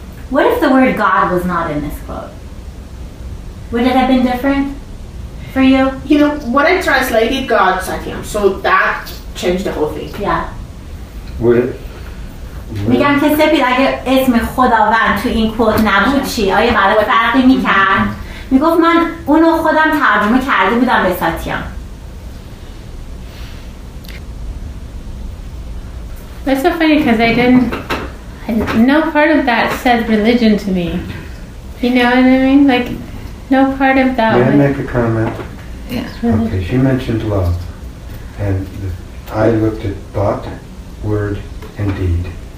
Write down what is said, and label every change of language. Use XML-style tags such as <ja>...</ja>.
<en>What if the word God was not in this quote? Would it have been different for you? You know, when I translated God, Satyam, so that changed the whole thing. Yeah. Would it?</en> <fa>میگم که سپید اگه اسم خداوند تو این کوت نبود چی؟ آیا برای فرقی میکرد؟ میگفت من اونو خودم ترجمه کرده بودم به ساتیام.</fa> <en>That's so funny because no part of that said religion to me. You know what I mean? Like, no part of that. May I make a comment? Yeah. Okay, she mentioned love. And I looked at thought, word, and deed.</en>